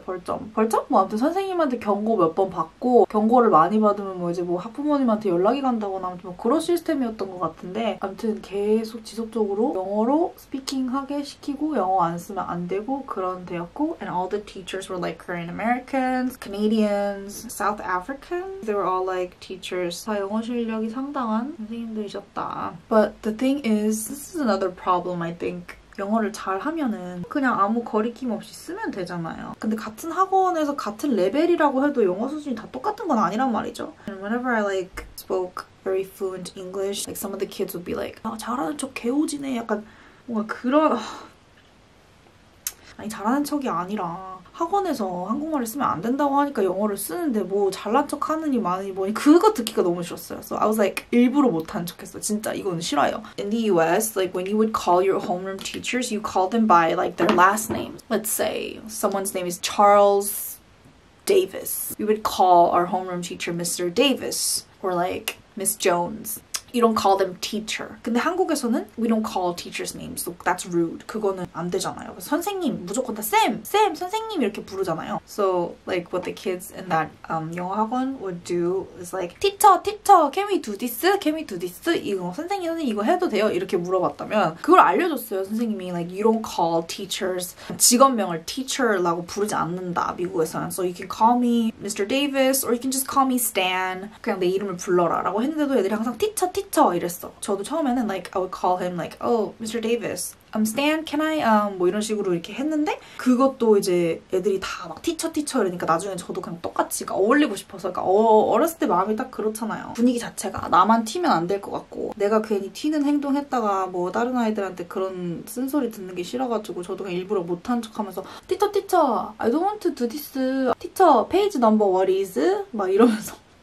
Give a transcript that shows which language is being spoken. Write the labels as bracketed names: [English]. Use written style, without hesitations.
[Korean] 벌점. 벌점? 뭐 아무튼 선생님한테 경고 몇 번 받고 경고를 많이 받으면 뭐 이제 뭐 학부모님한테 연락이 간다거나 아무튼 뭐 그런 시스템이었던 것 같은데 아무튼 계속 지속적으로 영어로 스피킹하게 시키고 영어 안 쓰면 안 되고 그런 데였고 [English] and all the teachers were like Korean Americans, Canadians, South African. They were all like teachers. [Korean] 다 영어 실력이 상당한 선생님들이셨다. [English] But the thing is, this is another problem, I think. [Korean] 영어를 잘하면은 그냥 아무 거리낌 없이 쓰면 되잖아요. 근데 같은 학원에서 같은 레벨이라고 해도 영어 수준이 다 똑같은 건 아니란 말이죠. [English] And whenever I like spoke very fluent English, like some of the kids would be like, [Korean] 아, 잘하는 척 개오지네. 약간 뭔가 그런... 아니, 잘하는 척이 아니라 학원에서 한국말을 쓰면 안 된다고 하니까 영어를 쓰는데 뭐 잘난 척 하느니 마느니 뭐니 그거 듣기가 너무 싫었어요. [English] So I was like [Korean] 일부러 못하는 척했어. 진짜 이건 싫어요. [English] In the US, like when you would call your homeroom teachers, you call them by like their last name. Let's say someone's name is Charles Davis. We would call our homeroom teacher Mr. Davis or like Miss Jones. You don't call them teacher. [Korean] 근데 한국에서는 [English] we don't call teachers names. So that's rude. [Korean] 그거는 안 되잖아요. 선생님 무조건 다 쌤, 쌤, 선생님 이렇게 부르잖아요. [English] So like what the kids in that [Korean] 영어 학원 [English] would do is like teacher, teacher, can we do this? Can we do this? [Korean] 이거 선생님, 선생님 이거 해도 돼요? 이렇게 물어봤다면 그걸 알려줬어요. 선생님이 [English] like you don't call teachers [Korean] 직업명을 teacher라고 부르지 않는다 미국에서는. [English] So you can call me Mr. Davis or you can just call me Stan. [Korean] 그냥 내 이름을 불러라라고 했는데도 애들이 항상 teacher. 티처 이랬어. 저도 처음에는 [English] like I would call him like oh Mr. [Korean] Davis, [English] I'm Stan, can I [Korean] 뭐 이런 식으로 이렇게 했는데 그것도 이제 애들이 다 막 티처 티처 이러니까 나중에 저도 그냥 똑같이 어울리고 싶어서 그러니까 어렸을 때 마음이 딱 그렇잖아요. 분위기 자체가 나만 튀면 안 될 것 같고 내가 괜히 튀는 행동했다가 뭐 다른 아이들한테 그런 쓴소리 듣는 게 싫어가지고 저도 그냥 일부러 못한 척하면서 티처 티처 [English] I don't want to do this, [Korean] 티처 페이지 넘버 [English] what is [Korean] 막 이러면서.